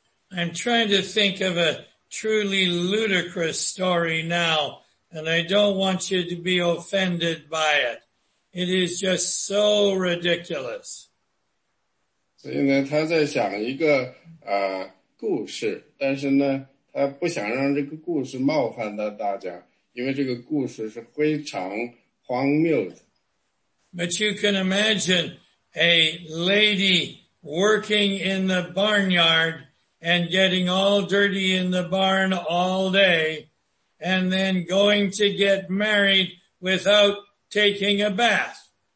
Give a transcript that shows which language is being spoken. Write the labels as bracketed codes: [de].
[en] I'm trying to think of a truly ludicrous story now, and I don't want you to be offended by it. It is just so ridiculous. [zh] 所以呢，他在想一个故事，但是呢，他不想让这个故事冒犯到大家，因为这个故事是非常荒谬的。 [en] But you can imagine a lady working in the barnyard and getting all dirty in the barn all day, and then going to get married without taking a bath.